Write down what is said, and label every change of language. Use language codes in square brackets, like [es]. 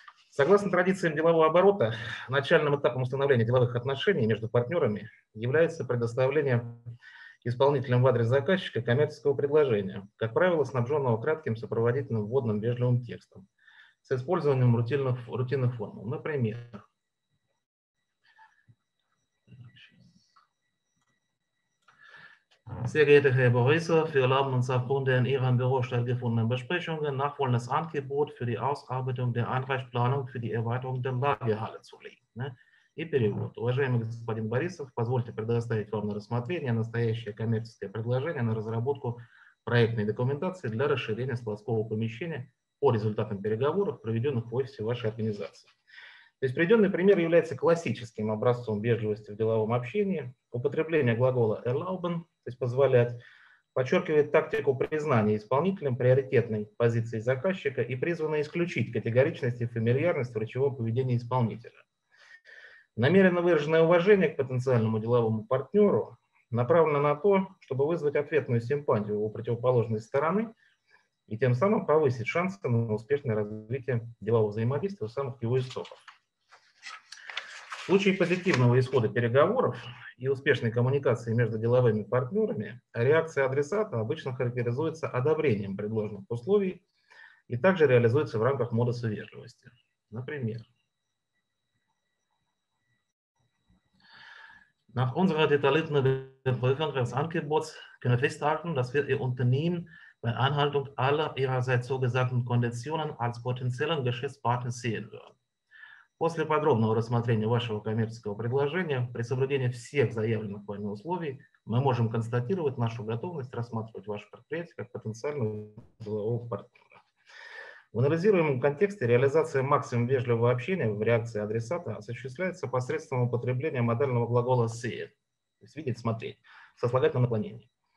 [ru] Согласно традициям делового оборота, начальным этапом установления деловых отношений между партнерами является предоставление исполнителям в адрес заказчика коммерческого предложения, как правило, снабженного кратким сопроводительным вводным вежливым текстом с использованием рутинных формул. Например, [de] Sehr geehrter Herr Borisov, wir erlauben uns aufgrund der in Ihrem Büro stattgefundenen Besprechungen nachfolgendes Angebot für die Ausarbeitung der Einreichplanung für die Erweiterung der Lagerhalle zu legen. [ru] И перевод. Уважаемый господин Борисов, позвольте предоставить вам на рассмотрение настоящее коммерческое предложение на разработку проектной документации для расширения складского помещения по результатам переговоров, проведенных в офисе вашей организации. То есть приведенный пример является классическим образцом вежливости в деловом общении. Употребление глагола erlauben, то есть позволять, подчеркивает тактику признания исполнителем приоритетной позиции заказчика и призвано исключить категоричность и фамильярность в речевом поведении исполнителя. Намеренно выраженное уважение к потенциальному деловому партнеру направлено на то, чтобы вызвать ответную симпатию у противоположной стороны и тем самым повысить шансы на успешное развитие делового взаимодействия у самых его истоков. В случае позитивного исхода переговоров и успешной коммуникации между деловыми партнерами, реакция адресата обычно характеризуется одобрением предложенных условий и также реализуется в рамках модуса вежливости. Например, [de] Nach unserer detaillierten Überprüfung des Angebots können wir festhalten, dass wir Ihr Unternehmen bei Einhaltung aller ihrerseits zugesagten Konditionen als potenziellen Geschäftspartner sehen würden. [ru] После подробного рассмотрения вашего коммерческого предложения, при соблюдении всех заявленных вами условий, мы можем констатировать нашу готовность рассматривать ваше предприятие как потенциального делового партнера. В анализируемом контексте реализация максимум вежливого общения в реакции адресата осуществляется посредством употребления модального глагола «see», то есть «видеть», «смотреть», сослагательное наклонение.